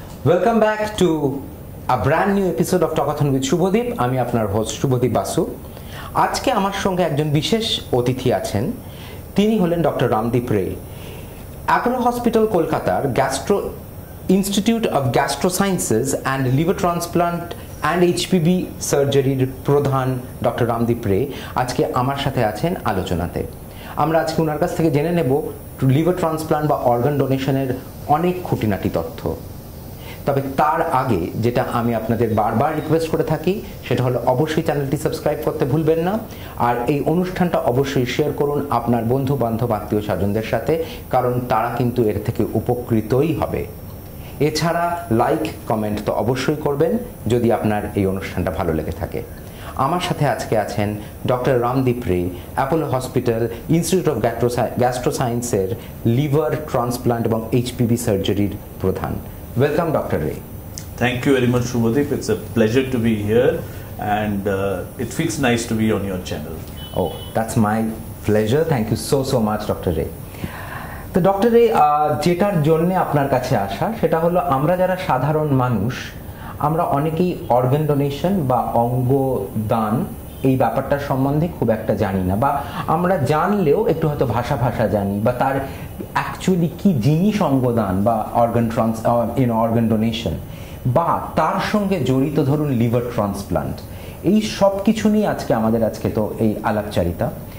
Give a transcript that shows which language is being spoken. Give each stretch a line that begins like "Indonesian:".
English: Welcome back to a brand new episode of Talkathon with Shubhadeep.
Bangla: আমি আপনার host Subhadip Basu. আজকে আমার সঙ্গে একজন বিশেষ অতিথি আছেন। তিনি হলেন ডক্টর রামদীপ রে। অ্যাপোলো হসপিটাল কলকাতার gastro institute of gastro sciences and liver transplant and HPV সার্জারির প্রধান ডক্টর রামদীপ রে আজকে আমার সাথে আছেন আলোচনাতে। আমরা আজকে ওনার কাছ থেকে জেনে নেব লিভার ট্রান্সপ্লান্ট বা অর্গান ডোনেশনের অনেক খুঁটিনাটি তথ্য। তবে তার আগে যেটা আমি আপনাদের বারবার রিকোয়েস্ট করে থাকি সেটা হলো অবশ্যই চ্যানেলটি সাবস্ক্রাইব করতে ভুলবেন না, আর এই অনুষ্ঠানটা অবশ্যই শেয়ার করুন আপনার বন্ধু বান্ধব আত্মীয় স্বজনদের সাথে, কারণ তারা কিন্তু এর থেকে উপকৃতই হবে। এছাড়া লাইক কমেন্ট তো অবশ্যই করবেন যদি আপনার এই অনুষ্ঠানটা ভালো লেগে থাকে। আমার সাথে আজকে আছেন ডক্টর রামদীপ রে, Apollo hospital institute of gastro সায়েন্সের লিভার ট্রান্সপ্লান্ট এবং এইচপিভি সার্জারির প্রধান।
English: Welcome, Dr. Ray. Thank you very much, Shubhadeep. It's a pleasure to be here, and it feels nice to be on your channel. Oh, that's my pleasure. Thank you so, so much, Dr. Ray.
Bangla: তো doctor রে, যেটার জন্য আপনার কাছে আসা সেটা হলো, আমরা যারা সাধারণ মানুষ আমরা অনেকেই অর্গান ডোনেশন বা অঙ্গ দান এই ব্যাপারটার সম্বন্ধে খুব একটা জানি না, বা আমরা জানলেও একটু হয়তো ভাষা জানি বা তার অ্যাকচুয়ালি কি জিনিস অঙ্গদান বা অর্গান অর্গান ডোনেশন, বা তার সঙ্গে জড়িত ধরুন লিভার ট্রান্সপ্লান্ট, এই সব কিছু নিয়ে আজকে আমাদের আজকে তো এই আলাপচারিতা।